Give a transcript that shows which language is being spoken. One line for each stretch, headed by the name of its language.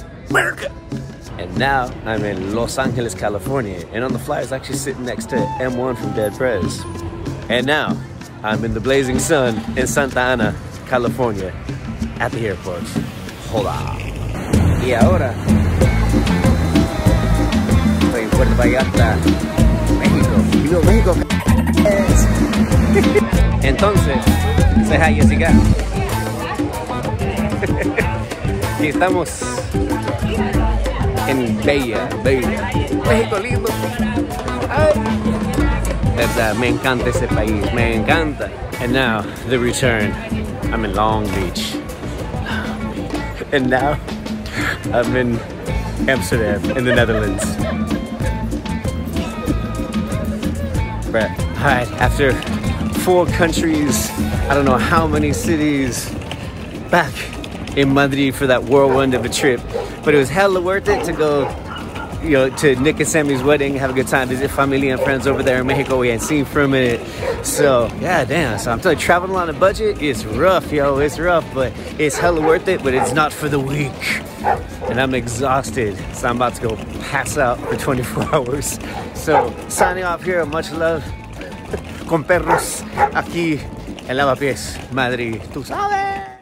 English: America. And now I'm in Los Angeles, California. And on the flyer, it's actually sitting next to M1 from Dead Prez. And now I'm in the blazing sun in Santa Ana, California, at the airport. Hold on.
Spanish: Y ahora, estoy en Puerto Vallarta, México.
English: You know México? Yes. Entonces, say hi, Jessica.
Spanish: Aquí estamos en Bella, Bella. México lindo. Ay. Verdad, me encanta ese país, me encanta.
English: And now, the return. I'm in Long Beach. And now, I'm in Amsterdam, in the Netherlands. Right. All right, after 4 countries, I don't know how many cities, back in Madrid for that whirlwind of a trip. But it was hella worth it to go, you know, to Nick and Sammy's wedding, have a good time, visit family and friends over there in Mexico we ain't seen for a minute. So, yeah, damn. So I'm telling you, traveling on a budget is rough, yo. It's rough, but it's hella worth it, but it's not for the weak. And I'm exhausted, so I'm about to go pass out for 24 hours. So, signing off here, much love.
Spanish: Con perros, aquí, en Lavapiés, Madrid, tú sabes.